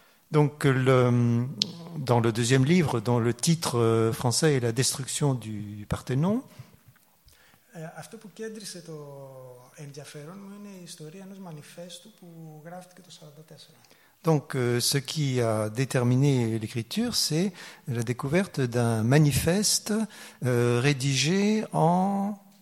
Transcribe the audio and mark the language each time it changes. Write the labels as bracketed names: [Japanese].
[French] Donc dans le deuxième livre, dont le titre français est La destruction du Parthénon, [Greek] αυτό που κέντρισε το ενδιαφέρον μου είναι η ιστορία ενός μανιφέστου που γράφτηκε το 44. [French] Donc ce qui a déterminé l'écriture, c'est la découverte d'un manifeste rédigé en